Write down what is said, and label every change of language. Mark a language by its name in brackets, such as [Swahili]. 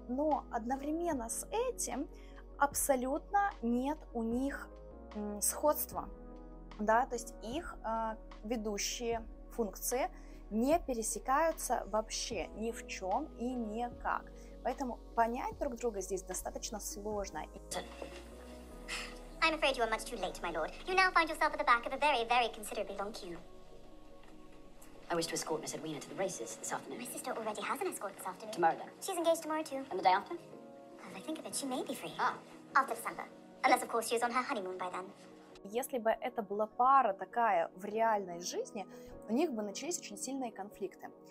[Russian] Но одновременно с этим абсолютно нет у них сходства. Да? То есть их ведущие функции не пересекаются вообще ни в чем и никак. Поэтому понять друг друга здесь достаточно сложно. [English] I'm afraid you are much too late, my lord. You now find yourself at the back of a very, very considerably long queue. I wish to escort Miss Edwina to the races this afternoon. My sister already has an escort this afternoon. Tomorrow, then? She's engaged tomorrow, too. And the day after? As I think of it, she may be free. Ah. After December. Unless, of course, she is on her honeymoon by then. [Russian] Если бы это была пара такая в реальной жизни, у них бы начались очень сильные конфликты.